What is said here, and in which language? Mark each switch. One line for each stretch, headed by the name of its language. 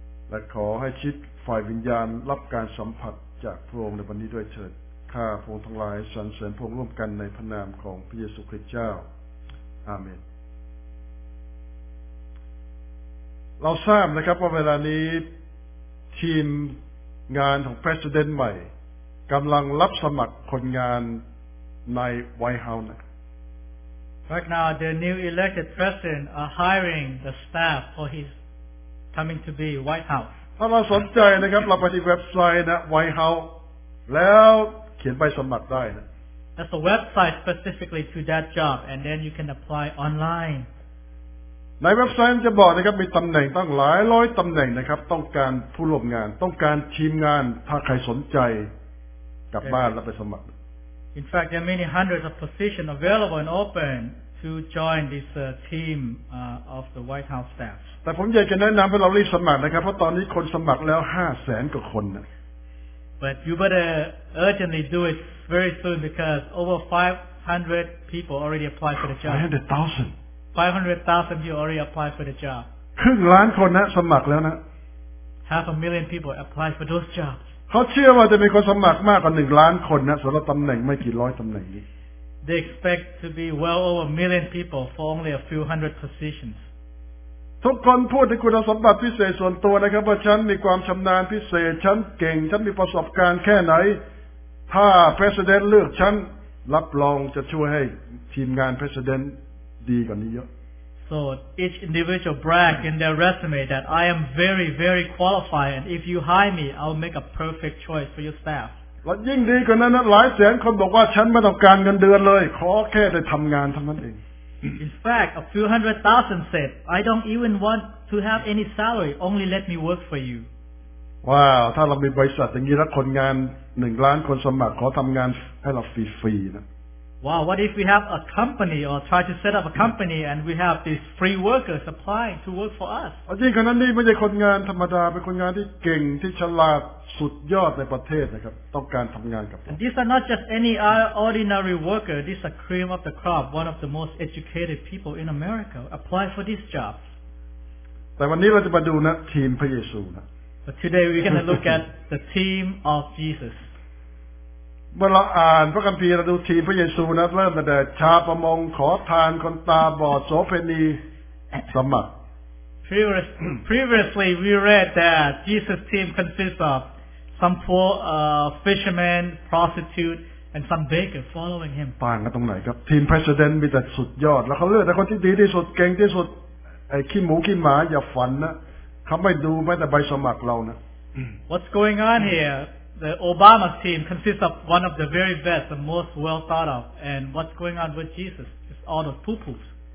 Thai: และขอให้ชิดฝ่ายวิญญาณรับการสัมผัสจากพระองค์ในวันนี้ด้วยเถิดข้าพระองค์ทั้งหลายสรรเสริญพระองค์ร่วมกันในพระนามของพระเยซูคริสต์เจ้าอาเมนเราทราบนะครับว่าเวลานี้ทีมงานของประธานใหม่กำลังรับสมัครคนงานในไวท์เฮาส์
English: Right now, the new elected president are hiring the staff for his coming to be White House.
Thai: ถ้าเราสนใจนะครับเราไปที่เว็บไซต์นะ White House แล้วเขียนใบสมัครได้นะ
English: That's a website specifically to that job, and then you can apply online.
Thai: ในเว็บไซต์จะบอกนะครับมีตำแหน่งตั้งหลายร้อยตำแหน่งนะครับต้องการผู้ร่วมงานต้องการทีมงานถ้าใครสนใจกลับบ้านแล้วไปสมัคร
English: In fact, there are many hundreds of positions available and open to join this team of the White House staff.
Thai: แต่ผมอยากจะแนะนำให้เรารีบสมัครนะครับเพราะตอนนี้คนสมัครแล้ว 500,000 กว่าคนนะ
English: But you better urgently do it very soon because over 500 people already applied for the job. 500,000. 500,000 people already applied for the job.
Thai: ครึ่งล้านคนนะสมัครแล้วนะ
English: Half a million people applied for those jobs.
Thai: เขาเชื่อว่าจะมีคนสมัครมากกว่า1ล้านคนนะสำหรับตำแหน่งไม่กี่ร้อยตำแหน่งนี้
English: They expect to be well over a million people for only a few hundred positions
Thai: ทุกคนพูดถึงคุณสมบัติพิเศษส่วนตัวนะครับว่าฉันมีความชำนาญพิเศษฉันเก่งฉันมีประสบการณ์แค่ไหนถ้าประธานเลือกฉันรับรองจะช่วยให้ทีมงานประธานดีกว่านี้เยอะ
English: So each individual brag in their resume that I am very very qualified and if you hire me I'll make a perfect choice for your staff
Thai: แล้วยิ่งดีกว่านั้นหลายแสนคนบอกว่าฉันไม่ต้องการเงินเดือนเลยขอแค่ได้ทำงานเท่านั้นเอง
English: In fact, a few hundred thousand said, I don't even want to have any salary, only let me work for you.
Thai: Wow, ถ้าเรามีบริษัทอย่างนี้แล้วคนงาน1ล้านคนสมัครขอทำงานให้เราฟรีๆนะ
English: Wow, what if we have a company or try to set up a company and we have these free workers applying to work for us?
Thai: จริงๆคนนั้นนี่ไม่ใช่คนงานธรรมดาเป็นคนงานที่เก่งที่ฉลาดสุดยอดในประเทศนะครับต้องการทำงานกับ
English: And these are not just any ordinary worker. These are cream of the crop, one of the most educated people in America. Apply for this job.
Thai: แต่วันนี้เราจะมาดูนะทีมพระเยซูนะ
English: But today we're going to look at the team of Jesus.
Thai: เมื่อเราอ่านพระคัมภีร์เราดูทีมพระเยซูนะเริ่มตั้งแต่ชาวประมงขอทานคนตาบอดโสเภณีสมัคร
English: Previously we read that Jesus' team consists ofsome poor fisherman prostitute and some baker following him
Thai: ต่างกันตรงไหนครับทีม president มีแต่สุดยอดแล้วเขาเลือกแต่คนที่ดีที่สุดเก่งที่สุดไอ้ขี้หมูขี้หมาอย่าฝันนะเขาไม่ดูแม้แต่ใบสมัครเรานะ
English: What's going on here the Obama team consists of one of the very best the most well thought of and what's going on with Jesus it's all the poo poos